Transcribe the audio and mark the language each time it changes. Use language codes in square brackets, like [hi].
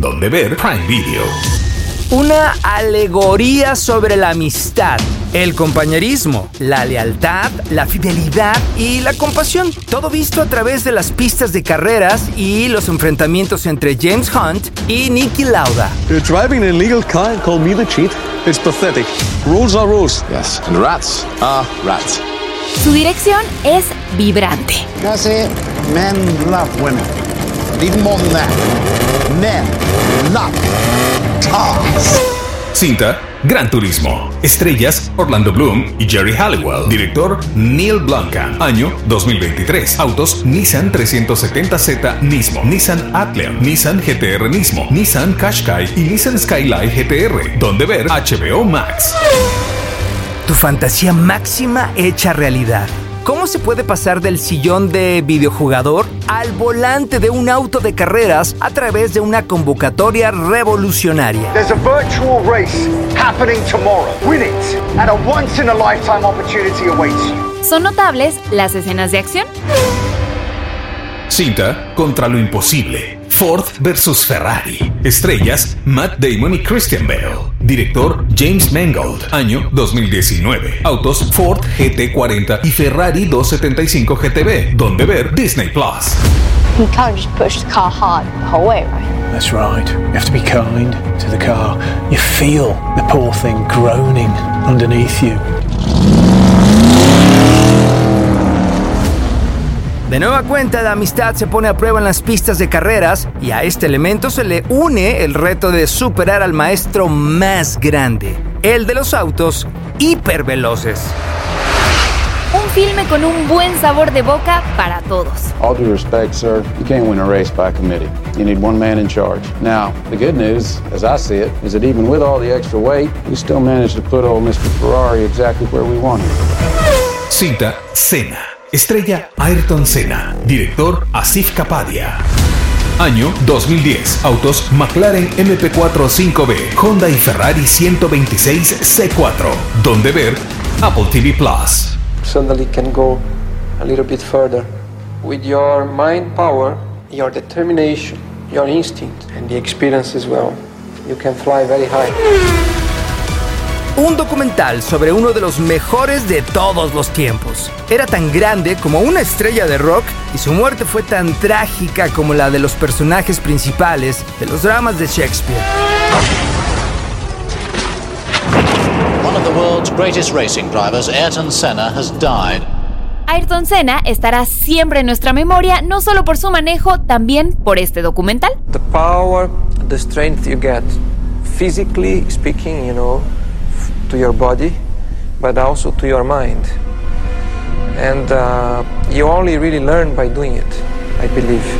[es] Donde ver Prime Video. Una alegoría sobre la amistad, el compañerismo, la lealtad, la fidelidad y la compasión. Todo visto a través de las pistas de carreras y los enfrentamientos entre James Hunt y Niki Lauda. [en] You're driving an illegal car and call me the cheat? It's pathetic. Rules are rules. Yes, and rats are rats. [es] Su dirección es vibrante. [en] That's it. Men love women. Even more than that. Men love cars. [es] Cinta, Gran Turismo. Estrellas, Orlando Bloom y Jerry Halliwell. Director, Neil Blomkamp. Año, 2023. Autos, Nissan 370Z Nismo, Nissan Athlon, Nissan GT-R Nismo, Nissan Qashqai y Nissan Skyline GT-R. Donde ver HBO Max. Tu fantasía máxima hecha realidad. ¿Cómo se puede pasar del sillón de videojugador al volante de un auto de carreras a través de una convocatoria revolucionaria? [en] There's a virtual race happening tomorrow. Win it, and a once-in-a-lifetime opportunity awaits you. [es] ¿Son notables las escenas de acción? Cinta contra lo imposible. Ford versus Ferrari. Estrellas, Matt Damon y Christian Bale. Director, James Mangold. Año, 2019. Autos, Ford GT40 y Ferrari 275 GTB. Donde ver Disney Plus. [en] You can't just push the car hard the whole way, right? That's right. You have to be kind to the car. You feel the poor thing groaning underneath you. [es] De nueva cuenta, la amistad se pone a prueba en las pistas de carreras y a este elemento se le une el reto de superar al maestro más grande, el de los autos hiperveloces. Un filme con un buen sabor de boca para todos. [en] All due respect, sir, you can't win a race by committee. You need one man in charge. Now, the good news, as I see it, is that even with all the extra weight, we still managed to put old Mr. Ferrari exactly where we want him. [es] Cinta, Senna. Estrella, Ayrton Senna. Director, Asif Kapadia. Año, 2010. Autos, McLaren MP4 5B. Honda y Ferrari 126 C4. Donde ver, Apple TV Plus. [en] Suddenly can go a little bit further. With your mind power, your determination, your instinct, and the experience as well, you can fly very high. [es] Un documental sobre uno de los mejores de todos los tiempos. Era tan grande como una estrella de rock y su muerte fue tan trágica como la de los personajes principales de los dramas de Shakespeare. [en] One of the world's greatest racing drivers, Ayrton Senna, has died. [es] Ayrton Senna estará siempre en nuestra memoria, no solo por su manejo, también por este documental. [en] The power, the strength you get, physically speaking, you know, to your body, but also to your mind. And you only really learn by doing it, I believe.